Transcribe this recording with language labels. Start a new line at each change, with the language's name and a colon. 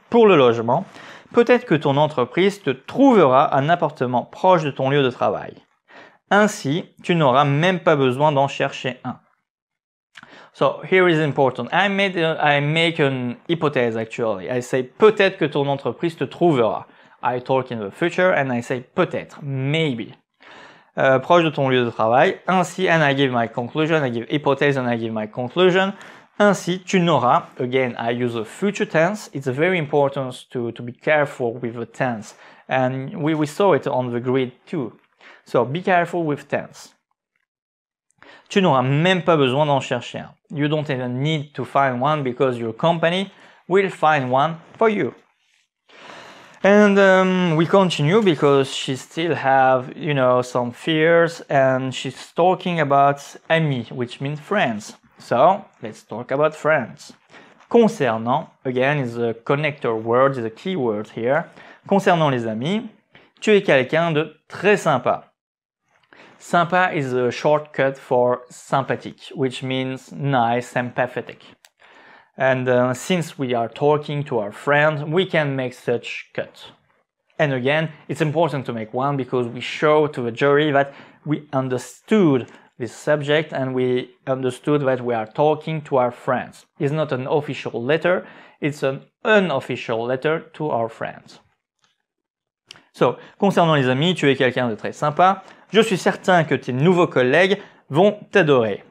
French: Pour le logement, peut-être que ton entreprise te trouvera un appartement proche de ton lieu de travail. Ainsi, tu n'auras même pas besoin d'en chercher un.
English: So here is important. I make an hypothesis actually. I say
French: peut-être que ton entreprise te trouvera.
English: I talk in the future and I say peut-être, maybe.
French: Proche de ton lieu de travail.
English: Ainsi, and I give my conclusion, I give hypothesis and I give my conclusion. Ainsi,
French: tu n'auras,
English: again, I use a future tense. It's very important to be careful with the tense. And we saw it on the grid too. So be careful with tense.
French: Tu n'auras même pas besoin d'en chercher un.
English: You don't even need to find one because your company will find one for you. And we continue because she still have, you know, some fears and she's talking about amis, which means friends. So, let's talk about friends. Concernant, again, is a connector word, is a key word here.
French: Concernant les amis, tu es quelqu'un de très sympa.
English: Sympa is a shortcut for sympathetic, which means nice, empathetic. And since we are talking to our friend, we can make such cut. And again, it's important to make one because we show to the jury that we understood this subject and we understood that we are talking to our friends. It's not an official letter, it's an unofficial letter to our friends.
French: So, concernant les amis, tu es quelqu'un de très sympa. Je suis certain que tes nouveaux collègues vont t'adorer.